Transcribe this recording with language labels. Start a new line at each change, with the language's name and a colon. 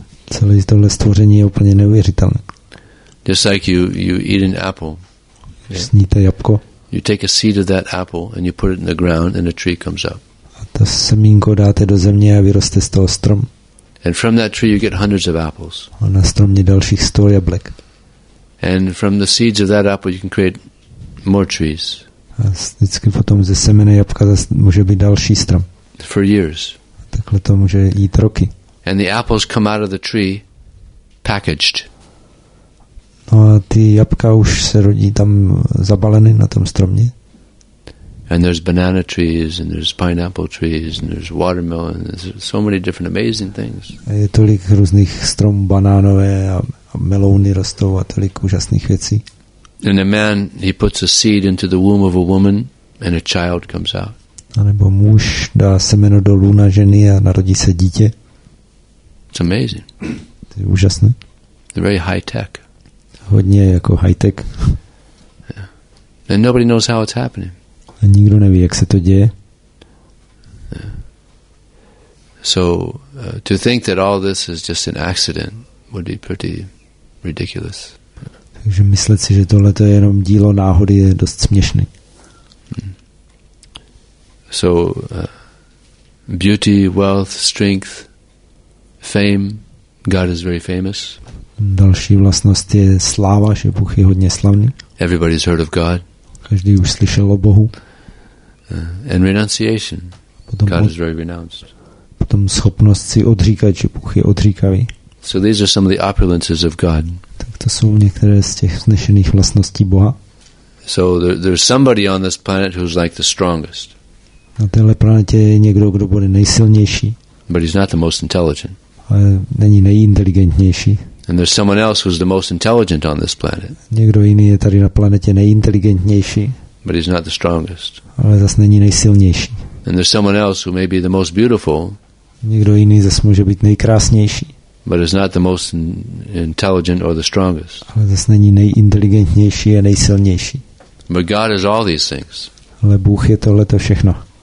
Czech: Celé tohle stvoření je úplně neuvěřitelné.
English: Just like you eat an apple.
Czech: Sníte jabko.
English: You take a seed of that apple and you put it in the ground and a tree comes up.
Czech: A to semínko dáte do země a vyroste z toho strom.
English: And from that tree you get hundreds of apples.
Czech: A na stromě dalších 100 jablek.
English: And from the seeds of that apple you can create more trees.
Czech: A vždycky potom ze semene jabka může být další strom.
English: For years.
Czech: A takhle to může jít roky.
English: And the apples come out of the tree packaged.
Czech: No a ty jabka už se rodí tam zabaleny na tom stromě.
English: And there's banana trees and there's pineapple trees and there's watermelon and there's so many different amazing things.
Czech: A je tolik různých stromů, banánové a melouny rostou a tolik úžasných věcí.
English: And a man, he puts a seed into the womb of a woman and a child comes out.
Czech: A nebo muž dá semeno do lůna ženy a narodí se dítě.
English: It's amazing.
Czech: To je úžasné.
English: They're very high tech.
Czech: Hodně jako high tech.
English: Yeah. And nobody knows how it's happening.
Czech: A nikdo neví, jak se to děje.
English: Yeah. So to think that all this is just an accident would be pretty ridiculous.
Czech: Takže myslet si, že tohle to je jenom dílo náhody, je dost směšný.
English: So beauty, wealth, strength, fame, God is very famous.
Czech: Další vlastnost je sláva, že Bůh je hodně slavný.
English: Everybody's heard of God.
Czech: Každý už slyšel o Bohu.
English: And renunciation.
Czech: Potom
English: God is very renounced.
Czech: Potom schopnost si odříkat, že Bůh je odříkavý.
English: So these are some of the opulences of God.
Czech: Tak to jsou některé z těch vznešených vlastností Boha.
English: So there's somebody on this planet who's like the strongest.
Czech: Na téhle planetě je někdo, kdo bude nejsilnější.
English: But he's not the most intelligent.
Czech: Ale není nejinteligentnější.
English: And there's someone else who's the most intelligent on this planet.
Czech: Někdo jiný je tady na planetě nejinteligentnější.
English: But he's not the strongest.
Czech: Ale zas není nejsilnější.
English: And there's someone else who may be the most beautiful.
Czech: Někdo jiný zas může být nejkrásnější.
English: But is not the most intelligent or the strongest.
Czech: Ale zas není nejinteligentnější a nejsilnější.
English: But God is all these things.
Czech: Ale Bůh je tohleto všechno.